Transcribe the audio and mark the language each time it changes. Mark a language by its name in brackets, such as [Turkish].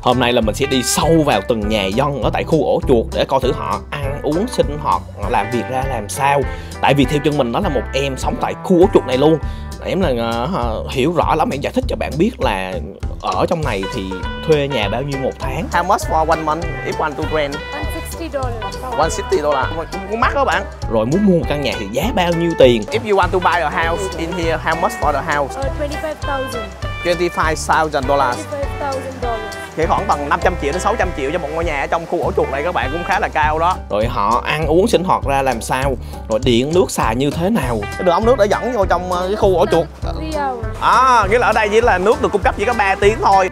[Vietnamese] Hôm nay là mình sẽ đi sâu vào từng nhà dân ở tại khu ổ chuột để coi thử họ ăn uống sinh hoạt làm việc ra làm sao. Tại vì theo chân mình đó là một em sống tại khu ổ chuột này luôn, em là hiểu rõ lắm, em giải thích cho bạn biết là ở trong này thì thuê nhà bao nhiêu một tháng. [English] How much for one month if one to rent? $160. [Vietnamese] Cũng mắc đó bạn. Rồi muốn mua một căn nhà thì giá bao nhiêu tiền? [English] If you want to buy a house in here, how much for the house? $25,000. [Vietnamese] Thì khoảng bằng 500 triệu đến 600 triệu cho một ngôi nhà ở trong khu ổ chuột này các bạn, cũng khá là cao đó. Rồi họ ăn uống sinh hoạt ra làm sao? Rồi điện nước xài như thế nào? Cái đường ống nước đã dẫn vô trong cái khu ổ chuột. Nghĩa là ở đây chỉ là nước được cung cấp chỉ có 3 tiếng thôi.